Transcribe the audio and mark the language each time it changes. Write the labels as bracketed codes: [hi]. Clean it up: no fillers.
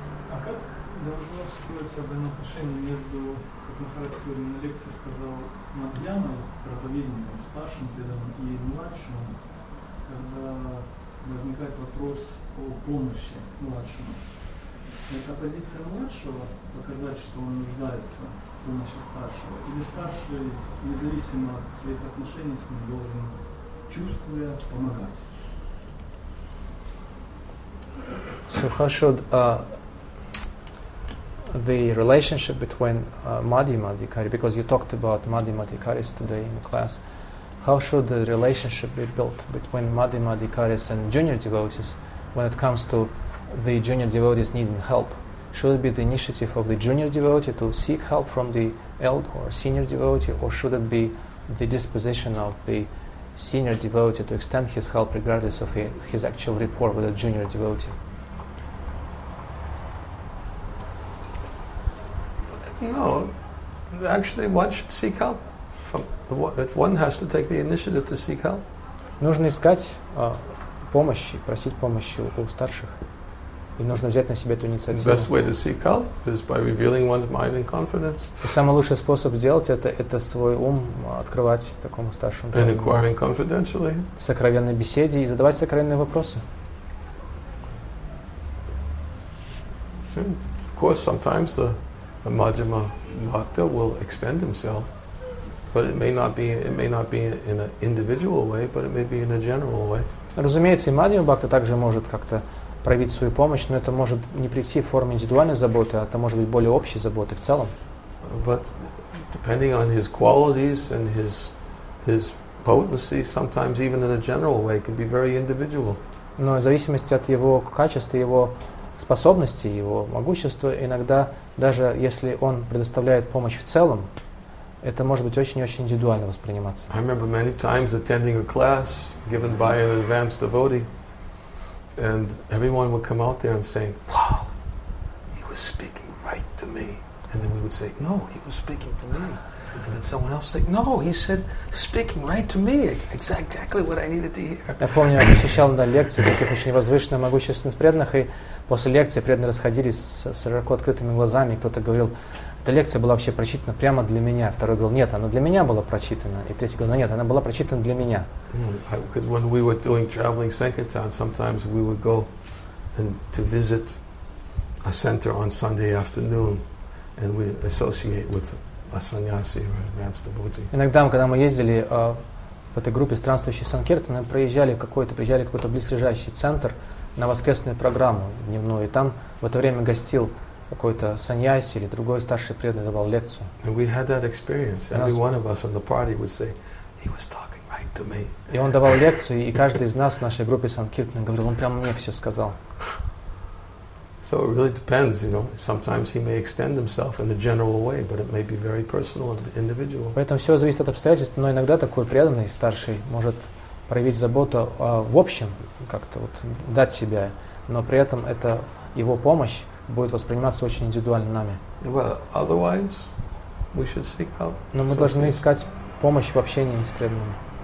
[ru] А как должно строиться взаимоотношение между, как Махарад сегодня на лекции сказал, Мадьяной, проповедником, старшим педом и младшим, когда возникает вопрос о помощи младшему? Это позиция младшего показать, что он нуждается? Или старший, независимо от своих отношений с ним, должен, чувствуя, помогать? [en] Суха, should the relationship between Madhyama Adhikari, because you talked about Madhyama Adhikaris today in class, how should the relationship be built between Madhyama Adhikaris and junior devotees when it comes to the junior devotees needing help? Should it be the initiative of the junior devotee to seek help from the elder or senior devotee, or should it be the disposition of the senior devotee to extend his help regardless of his actual rapport with the junior devotee? No, actually one should seek help. One has to take the initiative to seek help. [ru] Нужно искать помощи, просить помощи у старших. И нужно взять на себя эту инициативу. [en] The best way to seek help is by revealing one's mind and confidence. [ru] И самый лучший способ сделать это свой ум открывать такому старшему. [en] And inquiring confidentially. [ru] В сокровенной беседе и задавать сокровенные вопросы. [en] And of course, sometimes the Madhyama Bhakta will extend himself, but it may not be in an individual way, but it may be in a general way. [ru] Разумеется, и Мадхьяма Бхакта также может как-то проявить свою помощь, но это может не прийти в форме индивидуальной заботы, а это может быть более общей заботы в целом. [en] But depending on his qualities and his potency, sometimes even in a general way, can be very individual. [ru] Но в зависимости от его качества, его способности, его могущества, иногда даже если он предоставляет помощь в целом, это может быть очень и очень индивидуально восприниматься. [en] I remember many times attending a class given by an advanced devotee. And everyone would come out there and say, "Wow, he was speaking right to me." And then we would say, "No, he was speaking to me." And then someone else would say, "No, he said speaking right to me, exactly what I needed to hear." [ru] Я помню, я посещал на лекции таких очень возвышенных, могущественных преданных, и после лекции преданные расходились с широко открытыми глазами. Кто-то говорил, эта лекция была вообще прочитана прямо для меня. Второй говорил, нет, она для меня была прочитана. И третий говорил, нет, она была прочитана для меня. [en] Because when we were doing traveling sankirtan, sometimes we would go and to visit a center on Sunday afternoon, and we associate with a sannyasi or advanced devotee. [ru] Иногда, когда мы ездили в этой группе странствующих санкиртаны, проезжали какой-то, приезжали в какой-то близлежащий центр на воскресную программу дневную, и там в это время гостил какой-то саньяси или другой старший преданный, давал лекцию. [en] And we had that experience. Every one of us on the party would say, he was talking right to me. [ru] И он давал лекцию, и каждый из нас в нашей группе санкиртаны говорил, он прямо мне все сказал. [en] So it really depends, you know. Sometimes he may extend himself in a general way, but it may be very personal and individual. [ru] Поэтому все зависит от обстоятельств, но иногда такой преданный старший может проявить заботу в общем, как-то вот дать себя, но при этом это его помощь будет восприниматься очень индивидуально нами. [en] Well, otherwise, we should seek help. [ru] Но мы должны искать помощь в общении с преданными.